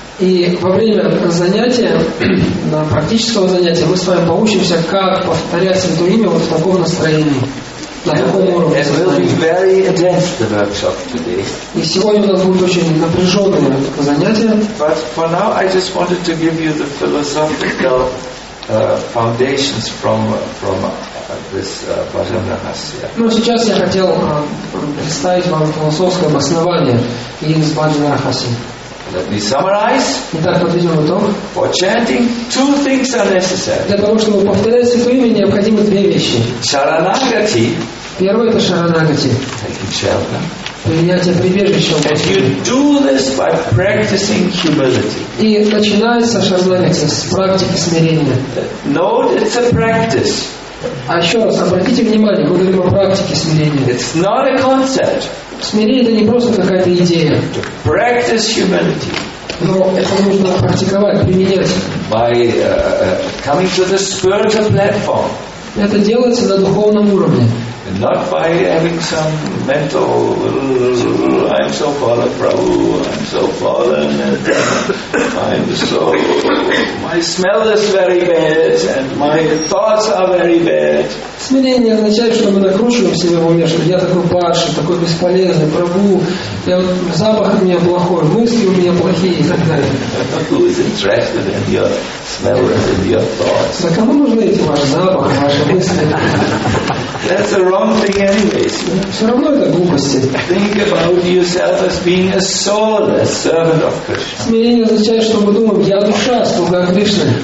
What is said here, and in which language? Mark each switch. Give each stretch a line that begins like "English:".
Russian: И во время занятия, на практического занятия, мы с вами поучимся, как повторять святое имя вот в таком настроении.
English: It will be very intense, the workshop today.
Russian: И сегодня у нас будет очень напряженное занятие.
English: But for now, I just wanted to give you the philosophical foundations from this Bhajana Rahasya.
Russian: Но сейчас я хотел представить вам философское обоснование из Bhajana Rahasya.
English: Let me summarize.
Russian: Итак, подведем итог.
English: For chanting, two things are necessary.
Russian: Для того, чтобы повторять святое имя, необходимы две вещи.
Sanskrit: Шаранагати.
Russian: Первое – это шаранагати.
English: Taking shelter.
Russian: Принятие прибежища.
English: And you do this by practicing humility.
Russian: И начинается шаранагати с практики смирения.
English: Note, it's a practice.
Russian: А еще раз, обратите внимание, мы говорим о практике смирения.
English: It's not a concept.
Russian: Смирение – это не просто какая-то идея.
English: To practice humility.
Russian: Но это нужно практиковать, применять.
English: By coming to the spiritual platform.
Russian: Это делается на духовном уровне.
English: And not by having some mental, I'm so fallen, Prabhu, I'm so fallen, and I'm so, my smell is very bad, and my thoughts are very bad.
Russian: Смирение означает, что мы накручиваем себя в уме, что я такой падший, такой бесполезный, Прабу, запах у меня плохой, мысли у меня плохие и так далее.
English: Who is interested in your smell and your thoughts?
Russian: Да кому нужны эти ваши запахи, ваши мысли?
English: That's the wrong thing anyways.
Russian: Все равно это глупости.
English: Think about yourself as being a soul, a servant of Krishna.
Russian: Смирение означает, что мы думаем, я душа, слуга Кришны.